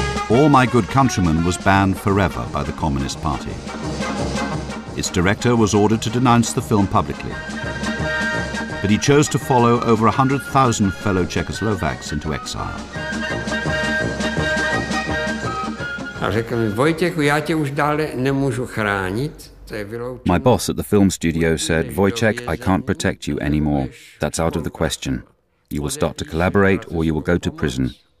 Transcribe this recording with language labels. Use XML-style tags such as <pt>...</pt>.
<en>All My Good Countrymen was banned forever by the Communist Party. Its director was ordered to denounce the film publicly. But he chose to follow over 100,000 fellow Czechoslovaks into exile.</en> <cs>A řekl mi, Vojtěch, já tě už dále nemůžu chránit.</cs> <en>My boss at the film studio said, Wojciech, I can't protect you anymore. That's out of the question. You will start to collaborate or you will go to prison.</en>